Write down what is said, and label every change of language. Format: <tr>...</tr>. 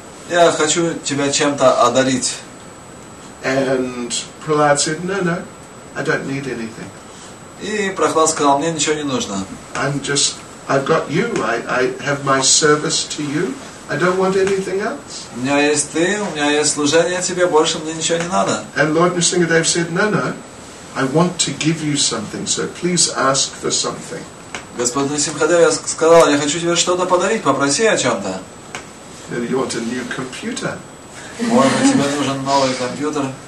<ru>Я хочу тебя чем-то одарить.</ru> <en>And Prahlad said, "No, no, I don't need anything."</en> <ru>И Прохлад сказал: "Мне ничего не нужно."</ru> <en>I've got you. I have my service to you. I don't want anything else.</en> <ru>У меня есть ты, у меня есть служение тебе, больше мне ничего не надо.</ru> <en>And Lord Nrisimhadev said, "No, no, I want to give you something. So please ask for something."</en> <ru>Господин Симхадев сказал, я хочу тебе что-то подарить, попроси о чем-то.</ru> <en>You want a new computer.</en> <ru>Может быть, тебе нужен новый компьютер.</ru>